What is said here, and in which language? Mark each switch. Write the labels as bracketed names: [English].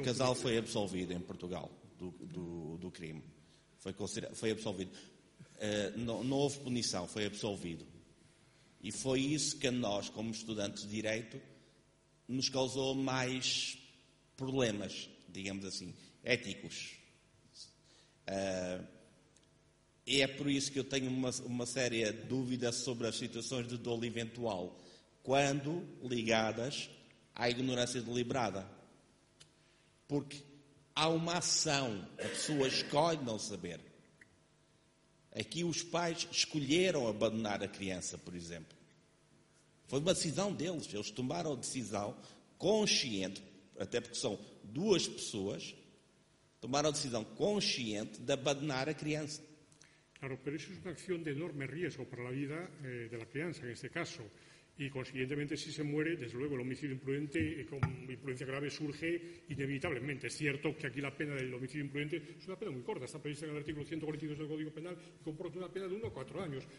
[Spanish] El casal fue absolvido en Portugal [Portuguese] do crime. [Spanish] Fue absolvido. [Portuguese] Não houve punição, foi absolvido. E foi isso que a nós, como estudantes de direito, nos causou mais problemas, digamos assim. éticos. E é por isso que eu tenho uma séria dúvida sobre as situações de dolo eventual, quando ligadas à ignorância deliberada. Porque há uma ação, a pessoa escolhe não saber. Aqui os pais escolheram abandonar a criança, por exemplo. Foi uma decisão deles, eles tomaram a decisão consciente, até porque são duas pessoas, tomaram a decisão consciente de abandonar a criança. [Spanish] Claro, pero eso es una acción de enorme riesgo para la vida de la crianza, en este caso. Y, consiguientemente, si se muere, desde luego, el homicidio imprudente con imprudencia grave surge inevitablemente. Es cierto que aquí la pena del homicidio imprudente es una pena muy corta. Está prevista en el artículo 142 del Código Penal y comporta una pena de 1 a 4 años.